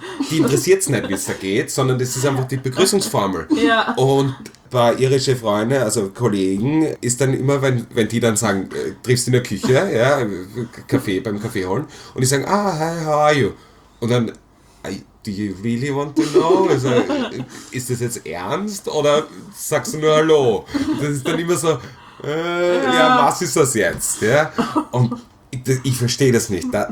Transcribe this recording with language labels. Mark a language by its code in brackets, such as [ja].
[de] Die interessiert es nicht, wie es da geht, sondern das ist einfach die Begrüßungsformel. Ja. Und ein paar irische Freunde, also Kollegen, ist dann immer, wenn die dann sagen, triffst du in der Küche, ja, beim Kaffee holen, und die sagen, [en] hi, how are you? [de] Und dann, [en] do you really want to know? [de] Also, ist das jetzt ernst oder sagst du nur hallo? Das ist dann immer so, was ist das jetzt? Ja? Und ich verstehe das nicht.